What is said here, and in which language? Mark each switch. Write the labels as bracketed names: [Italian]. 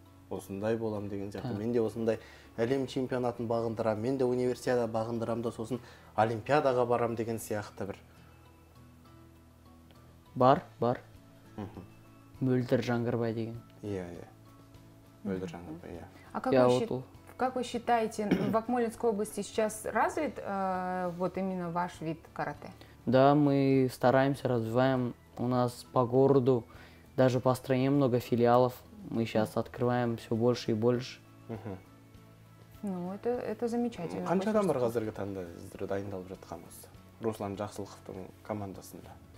[Kazakh] Осындай болам деген сияқты. Мен де осындай әлем чемпионатын бағындырам, мен де универсиада бағындырам да сосын олимпиадаға барам деген сияқты бір. Бар, бар. Мөлдір Жаңғырбай деген. Иә. Мөлдір Жаңғырбай, иә. [Russian] А как вообще? Как вы считаете, в Акмолинской области сейчас развит вот именно ваш вид карате? Да, мы стараемся, развиваем. У нас по городу, даже по стране много филиалов. Мы сейчас открываем все больше и больше. Ну, это замечательно. [Kazakh] Қанша адам бар қазіргі таңда сіздер дайындалып жатқаныңыз? Руслан Жақсылықовтың командасында.